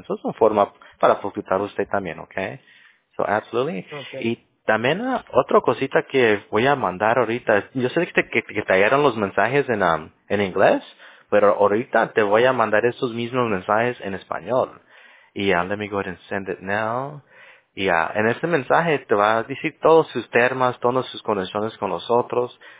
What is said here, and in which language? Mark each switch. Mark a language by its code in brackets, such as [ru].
[es] Eso es una forma para facultar a usted también, ¿ok? [en] So, absolutely. Okay. [es] Y también, otra cosita que voy a mandar ahorita, yo sé que trajeron los mensajes en inglés, pero ahorita te voy a mandar esos mismos mensajes en español. [en] Y let me go ahead and send it now. [es] Y en este mensaje te va a decir todos sus termas, todas sus conexiones con los otros.